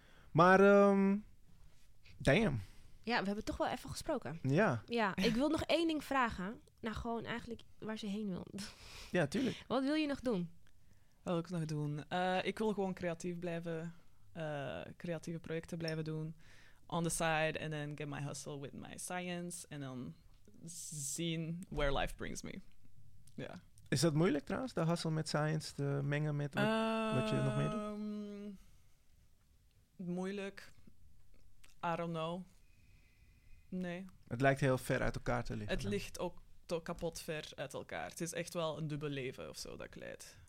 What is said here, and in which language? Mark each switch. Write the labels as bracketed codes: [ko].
[nl] Maar, damn. Ja, we hebben toch wel even gesproken. Ja. Ja, ik wil nog één ding vragen. Nou, gewoon eigenlijk waar ze heen wil. Ja, tuurlijk. Wat wil je nog doen? Wat wil ik nog doen? Ik wil gewoon creatief blijven. Creatieve projecten blijven doen. [en] On the side and then get my hustle with my science and then [nl] zien [en] where life brings me. Yeah. [nl] Is dat moeilijk trouwens, de hustle met science te mengen met wat je nog meer doet? Moeilijk. [en] I don't know. [nl] Nee. Het lijkt heel ver uit elkaar te liggen. Het ligt ook toch kapot ver uit elkaar. Het is echt wel een dubbel leven of zo dat ik leid.